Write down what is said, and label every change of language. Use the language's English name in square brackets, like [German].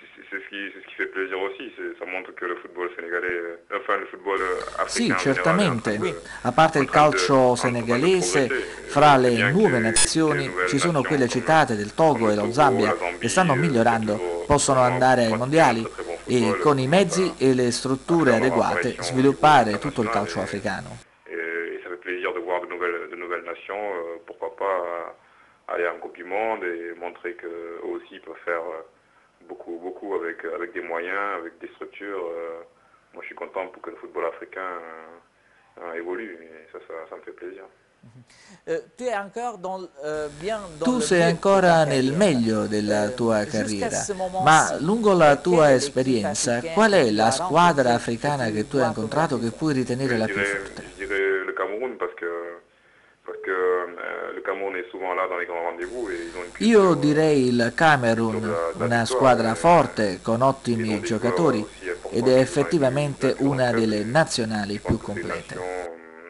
[French] C'est ce qui fait plaisir aussi, ça montre que le football sénégalais enfin le football africain. [Italian] Sì, certamente. A parte il calcio senegalese, fra le nuove nazioni ci sono quelle citate del Togo e lo Zambia che stanno migliorando, possono andare ai mondiali e con i mezzi e le strutture adeguate sviluppare tutto il calcio africano. [French] E ça fait plaisir de voir de nouvelles nations, pourquoi pas aller en Coupe du Monde et montrer que aussi peut faire beaucoup avec des moyens, avec des structures. Moi je suis content pour que le football africain évolue et ça me fait plaisir. Tu es encore dans, bien dans [Italian] tu sei ancora nel meglio della tua carriera, ma lungo la tua esperienza, qual è la squadra africana che tu hai incontrato che puoi ritenere la più forte? [French] Je dirais le Cameroun parce que le Cameroun est souvent là dans les grands rendez-vous et ils ont une [Italian] Io direi il Camerun, una squadra forte con ottimi giocatori ed è effettivamente una delle nazionali più complete.